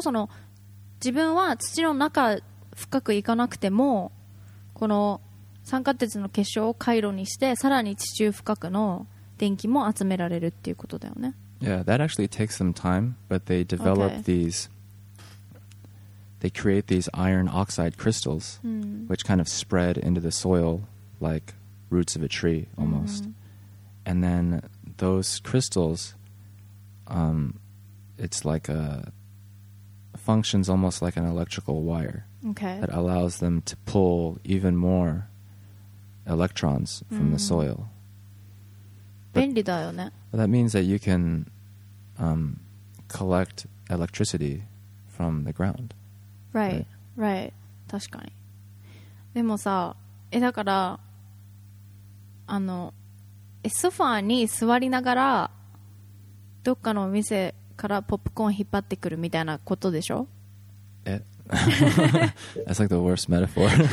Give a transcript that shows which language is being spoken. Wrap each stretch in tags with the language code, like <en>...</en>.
<ja>その自分は土の中深く行かなくても、この酸化鉄の結晶を回路にして、さらに地中深くの電気も集められるっていうことだよね。</ja> <en>Yeah, that actually takes some time, but they develop、okay. these they create these iron oxide crystals、which kind of spread into the soil like roots of a tree almost、and then those crystals、it's like a functions almost like an electrical wire Okay. That allows them to pull even more electrons from、the soil.</en> <ja>便利だよね。</ja> <en>That means that you can、collect electricity from the ground. Right, right. right.</en> <ja>確かに。でもさ、だから、あの、ソファーに座りながら、どっかのお店からポップコーン引っ張ってくるみたいなことでしょ？</ja> <en>えThat's like the worst metaphor.</en>